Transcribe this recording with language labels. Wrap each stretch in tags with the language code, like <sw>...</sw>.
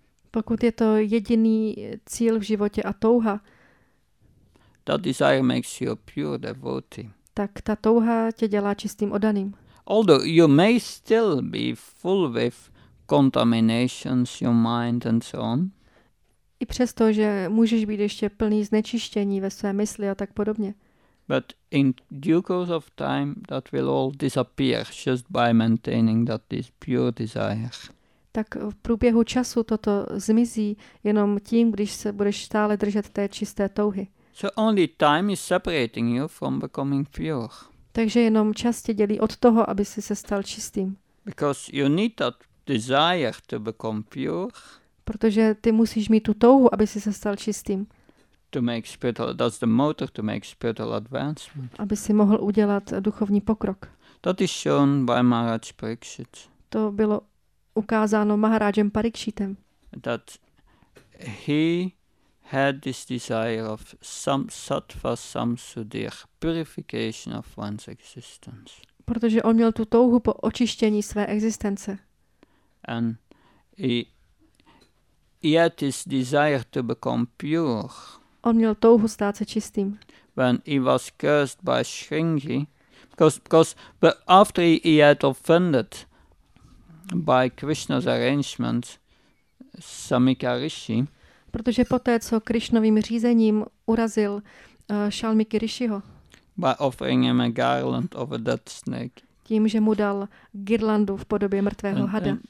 <cs>Pokud je to jediný cíl v životě a touha,</cs> <en>that desire makes you a pure devotee.</en> <cs>Tak ta touha tě dělá čistým oddaným.</cs> <en>Although you may still be full with contaminations, your mind and so on.</en> <cs>I přesto, že můžeš být ještě plný znečištění ve své mysli a tak podobně.</cs> <en>But in due course of time, that will all disappear just by maintaining that this pure desire.</en> <cs>tak v průběhu času toto zmizí jenom tím, když se budeš stále držet té čisté touhy.</cs> <en>So only time is separating you from becoming pure.</en> <cs>Takže jenom čas tě dělí od toho, aby jsi se stal čistým.</cs> <en>Because you need that desire to become pure.</en> <cs>Protože ty musíš mít tu touhu, aby jsi se stal čistým.</cs> <en>To make spiritual, that's the motor to make spiritual advancement.</en> <cs>Aby si mohl udělat duchovní pokrok.</cs> <en>That is shown by Maharaj Parikshit.</en> <cs>To bylo ukázáno Maharajem Parikshitem.</cs> <en>That he had this desire of sattva samsudhir, purification of one's existence.</en> <cs>Protože on měl tu touhu po očištění své existence.</cs> <en>And he had his desire to become pure.</en> <cs>On měl touhu stát se čistým.</cs> <en>When he was cursed by Sringi, because after he had offended by Krishna's arrangement, Samika Rishi.</en> <cs>Protože poté, co Krishnovým řízením urazil Shalmiki Rishiho.</cs> <en>By offering him a garland of a dead snake.</en> <cs>Tím, že mu dal girlandu v podobě mrtvého hada.</cs>